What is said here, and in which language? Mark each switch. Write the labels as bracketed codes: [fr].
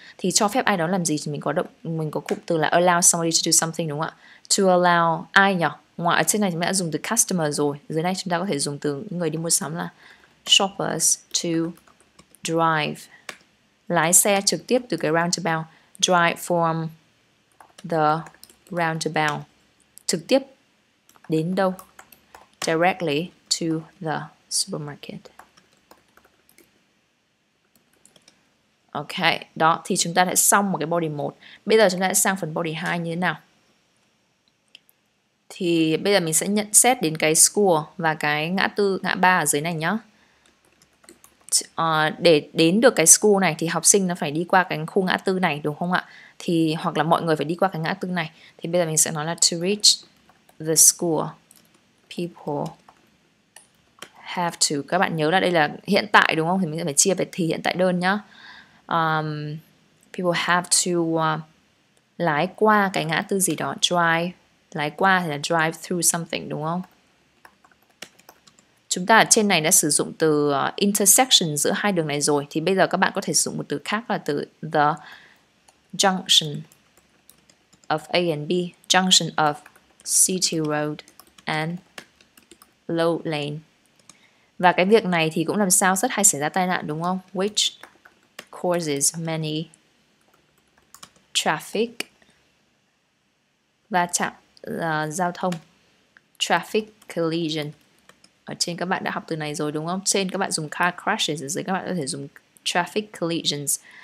[vi] Thì cho phép ai đó làm gì thì mình có cụm từ là [en] allow somebody to do something [vi] đúng không ạ? [en] To allow [vi] ai nhỉ? Ngoài ở trên này chúng ta đã dùng từ customer rồi, dưới này chúng ta có thể dùng từ người đi mua sắm là [en] shoppers to drive. [vi] Lái xe trực tiếp từ cái roundabout. [en] Drive from the roundabout. [vi] Trực tiếp đến đâu? [en] Directly to the supermarket. [vi] Ok, đó thì chúng ta đã xong một cái body 1. Bây giờ chúng ta sẽ sang phần body 2 như thế nào? Thì bây giờ mình sẽ nhận xét đến cái score và cái ngã tư, ngã ba ở dưới này nhá. Để đến được cái score này thì học sinh nó phải đi qua cái khu ngã tư này đúng không ạ? Thì hoặc là mọi người phải đi qua cái ngã tư này. Thì bây giờ mình sẽ nói là [en] to reach the score, people have to. [vi] Các bạn nhớ là đây là hiện tại đúng không? Thì mình sẽ phải chia về thì hiện tại đơn nhá. [en] People have to [vi] lái qua cái ngã tư gì đó. Drive, lái qua thì là [en] drive through something [vi] đúng không? Chúng ta ở trên này đã sử dụng từ intersection giữa hai đường này rồi. Thì bây giờ các bạn có thể sử dụng một từ khác là từ [en] the junction of A and B. Junction of City Road and Low Lane. [vi] Và cái việc này thì cũng làm sao rất hay xảy ra tai nạn đúng không? [en] Which causes many traffic [vi] va chạm giao thông. [en] Traffic collision. [vi] Ở trên các bạn đã học từ này rồi đúng không? Trên các bạn dùng car crashes, ở dưới các bạn có thể dùng traffic collisions.